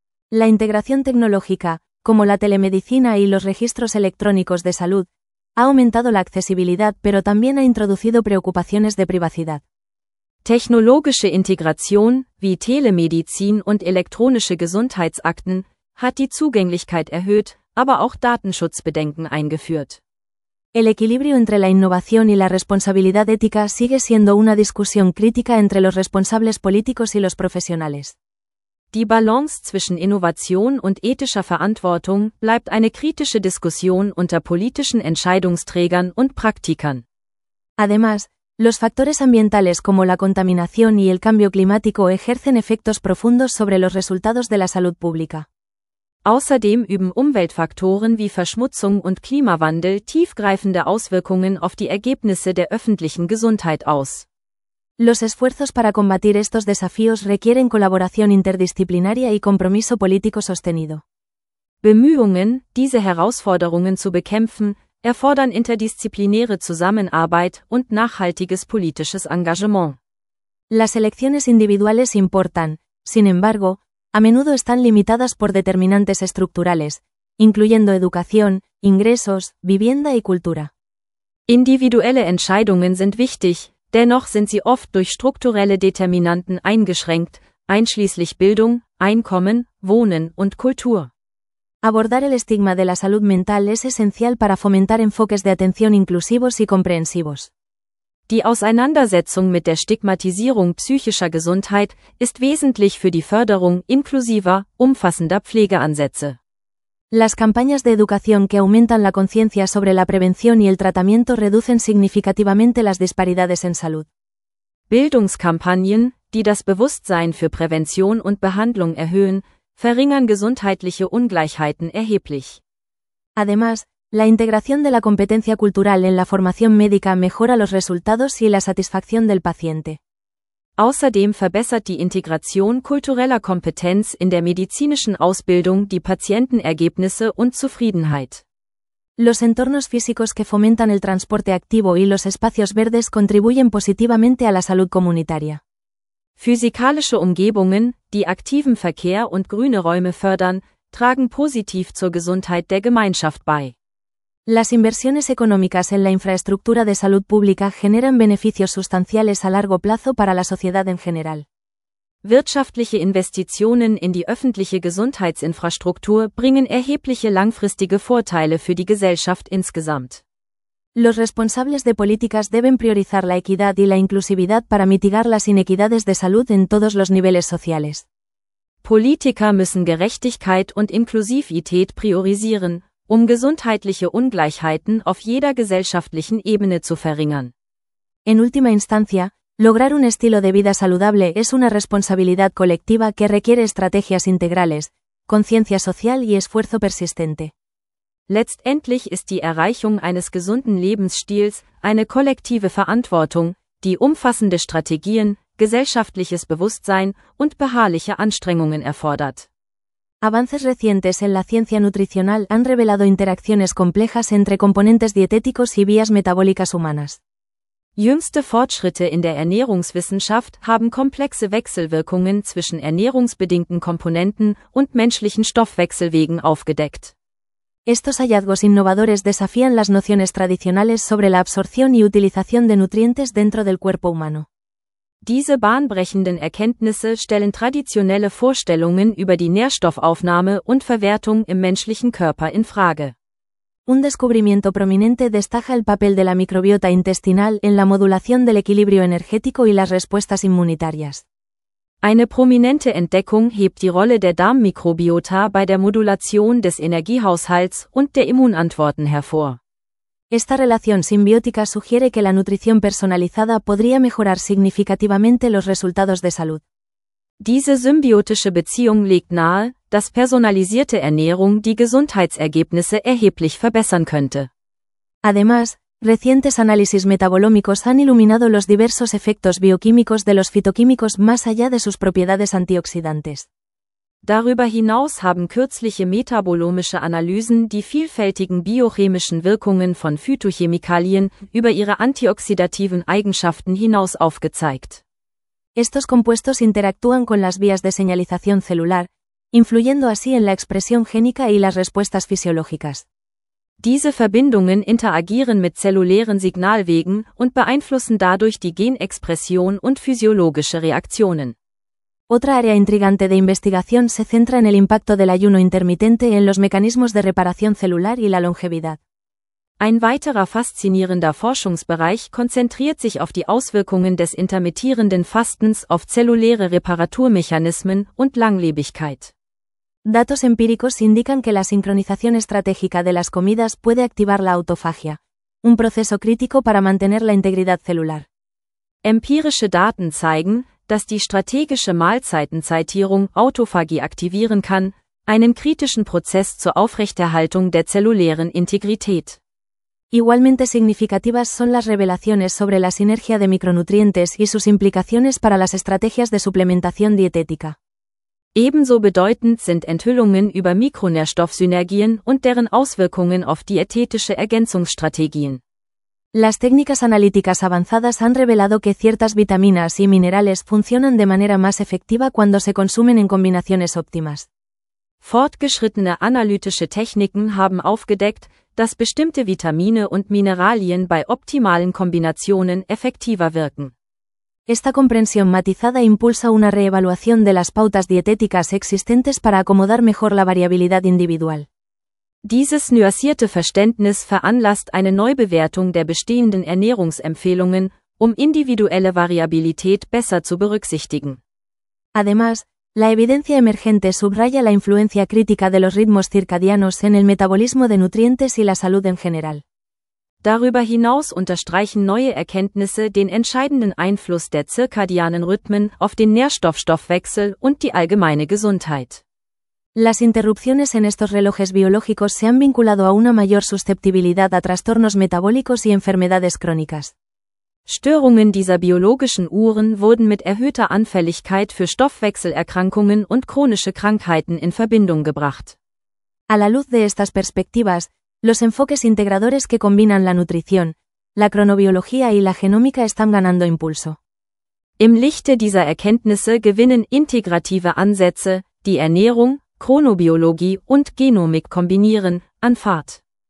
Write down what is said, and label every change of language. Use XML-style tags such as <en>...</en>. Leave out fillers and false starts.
<es>La integración tecnológica, como la telemedicina y los registros electrónicos de salud, ha aumentado la accesibilidad, pero también ha introducido preocupaciones de privacidad.</es> <de>Technologische Integration, wie Telemedizin und elektronische Gesundheitsakten, hat die Zugänglichkeit erhöht, aber auch Datenschutzbedenken eingeführt.</de> <es>El equilibrio entre la innovación y la responsabilidad ética sigue siendo una discusión crítica entre los responsables políticos y los profesionales.</es> <de>Die Balance zwischen Innovation und ethischer Verantwortung bleibt eine kritische Diskussion unter politischen Entscheidungsträgern und Praktikern.</de> <es>Además, los factores ambientales como la contaminación y el cambio climático ejercen efectos profundos sobre los resultados de la salud pública.</es> <de>Außerdem üben Umweltfaktoren wie Verschmutzung und Klimawandel tiefgreifende Auswirkungen auf die Ergebnisse der öffentlichen Gesundheit aus.</de> <es>Los esfuerzos para combatir estos desafíos requieren colaboración interdisciplinaria y compromiso político sostenido.</es> <de>Bemühungen, diese Herausforderungen zu bekämpfen, erfordern interdisziplinäre Zusammenarbeit und nachhaltiges politisches Engagement.</de> <es>Las elecciones individuales importan, sin embargo, a menudo están limitadas por determinantes estructurales, incluyendo educación, ingresos, vivienda y cultura.</es> <de>Individuelle Entscheidungen sind wichtig. Dennoch sind sie oft durch strukturelle Determinanten eingeschränkt, einschließlich Bildung, Einkommen, Wohnen und Kultur.</de> <es>Abordar el estigma de la salud mental es esencial para fomentar enfoques de atención inclusivos y comprensivos.</es> <de>Die Auseinandersetzung mit der Stigmatisierung psychischer Gesundheit ist wesentlich für die Förderung inklusiver, umfassender Pflegeansätze.</de> <es>Las campañas de educación que aumentan la conciencia sobre la prevención y el tratamiento reducen significativamente las disparidades en salud.</es> <de>Bildungskampagnen, die das Bewusstsein für Prävention und Behandlung erhöhen, verringern gesundheitliche Ungleichheiten erheblich.</de> <es>Además, la integración de la competencia cultural en la formación médica mejora los resultados y la satisfacción del paciente.</es> <de>Außerdem verbessert die Integration kultureller Kompetenz in der medizinischen Ausbildung die Patientenergebnisse und Zufriedenheit.</de> <es>Los entornos físicos que fomentan el transporte activo y los espacios verdes contribuyen positivamente a la salud comunitaria.</es> <de>Physikalische Umgebungen, die aktiven Verkehr und grüne Räume fördern, tragen positiv zur Gesundheit der Gemeinschaft bei.</de> <es>Las inversiones económicas en la infraestructura de salud pública generan beneficios sustanciales a largo plazo para la sociedad en general.</es> <de>Wirtschaftliche Investitionen in die öffentliche Gesundheitsinfrastruktur bringen erhebliche langfristige Vorteile für die Gesellschaft insgesamt.</de> <es>Los responsables de políticas deben priorizar la equidad y la inclusividad para mitigar las inequidades de salud en todos los niveles sociales.</es> <de>Politiker müssen Gerechtigkeit und Inklusivität priorisieren, um gesundheitliche Ungleichheiten auf jeder gesellschaftlichen Ebene zu verringern.</de> <es>En última instancia, lograr un estilo de vida saludable es una responsabilidad colectiva que requiere estrategias integrales, conciencia social y esfuerzo persistente.</es> <de>Letztendlich ist die Erreichung eines gesunden Lebensstils eine kollektive Verantwortung, die umfassende Strategien, gesellschaftliches Bewusstsein und beharrliche Anstrengungen erfordert.</de> <es>Avances recientes en la ciencia nutricional han revelado interacciones complejas entre componentes dietéticos y vías metabólicas humanas.</es> <de>Jüngste Fortschritte in der Ernährungswissenschaft haben komplexe Wechselwirkungen zwischen ernährungsbedingten Komponenten und menschlichen Stoffwechselwegen aufgedeckt.</de> <es>Estos hallazgos innovadores desafían las nociones tradicionales sobre la absorción y utilización de nutrientes dentro del cuerpo humano.</es> <de>Diese bahnbrechenden Erkenntnisse stellen traditionelle Vorstellungen über die Nährstoffaufnahme und Verwertung im menschlichen Körper in Frage.</de> <es>Un descubrimiento prominente destaca el papel de la microbiota intestinal en la modulación del equilibrio energético y las respuestas inmunitarias.</es> <de>Eine prominente Entdeckung hebt die Rolle der Darmmikrobiota bei der Modulation des Energiehaushalts und der Immunantworten hervor.</de> <es>Esta relación simbiótica sugiere que la nutrición personalizada podría mejorar significativamente los resultados de salud.</es> <de>Diese symbiotische Beziehung legt nahe, dass personalisierte Ernährung die Gesundheitsergebnisse erheblich verbessern könnte.</de> <es>Además, recientes análisis metabolómicos han iluminado los diversos efectos bioquímicos de los fitoquímicos más allá de sus propiedades antioxidantes.</es> <de>Darüber hinaus haben kürzliche metabolomische Analysen die vielfältigen biochemischen Wirkungen von Phytochemikalien über ihre antioxidativen Eigenschaften hinaus aufgezeigt.</de> <es>Estos compuestos interactúan con las vías de señalización celular, influyendo así en la expresión génica y las respuestas fisiológicas.</es> <de>Diese Verbindungen interagieren mit zellulären Signalwegen und beeinflussen dadurch die Genexpression und physiologische Reaktionen.</de> <es>Otra área intrigante de investigación se centra en el impacto del ayuno intermitente en los mecanismos de reparación celular y la longevidad.</es> <de>Ein weiterer faszinierender Forschungsbereich konzentriert sich auf die Auswirkungen des intermittierenden Fastens auf zelluläre Reparaturmechanismen und Langlebigkeit.</de> <es>Datos empíricos indican que la sincronización estratégica de las comidas puede activar la autofagia, un proceso crítico para mantener la integridad celular.</es> <de>Empirische Daten zeigen, dass die strategische Mahlzeitenzeitierung Autophagie aktivieren kann, einen kritischen Prozess zur Aufrechterhaltung der zellulären Integrität.</de> <es>Igualmente significativas son las revelaciones sobre la sinergia de micronutrientes y sus implicaciones para las estrategias de suplementación dietética.</es> <de>Ebenso bedeutend sind Enthüllungen über Mikronährstoffsynergien und deren Auswirkungen auf dietetische Ergänzungsstrategien.</de> <es>Las técnicas analíticas avanzadas han revelado que ciertas vitaminas y minerales funcionan de manera más efectiva cuando se consumen en combinaciones óptimas.</es> <de>Fortgeschrittene analytische Techniken haben aufgedeckt, dass bestimmte Vitamine und Mineralien bei optimalen Kombinationen effektiver wirken.</de> <es>Esta comprensión matizada impulsa una reevaluación de las pautas dietéticas existentes para acomodar mejor la variabilidad individual.</es> <de>Dieses nuancierte Verständnis veranlasst eine Neubewertung der bestehenden Ernährungsempfehlungen, um individuelle Variabilität besser zu berücksichtigen.</de> <es>Además, la evidencia emergente subraya la influencia crítica de los ritmos circadianos en el metabolismo de nutrientes y la salud en general.</es> <de>Darüber hinaus unterstreichen neue Erkenntnisse den entscheidenden Einfluss der zirkadianen Rhythmen auf den Nährstoffstoffwechsel und die allgemeine Gesundheit.</de> <es>Las interrupciones en estos relojes biológicos se han vinculado a una mayor susceptibilidad a trastornos metabólicos y enfermedades crónicas.</es> <de>Störungen dieser biologischen Uhren wurden mit erhöhter Anfälligkeit für Stoffwechselerkrankungen und chronische Krankheiten in Verbindung gebracht.</de> <es>A la luz de estas perspectivas, los enfoques integradores que combinan la nutrición, la cronobiología y la genómica están ganando impulso.</es> <de>Im Lichte dieser Erkenntnisse gewinnen integrative Ansätze, die Ernährung, Chronobiologie und Genomik kombinieren, an Fahrt.</de>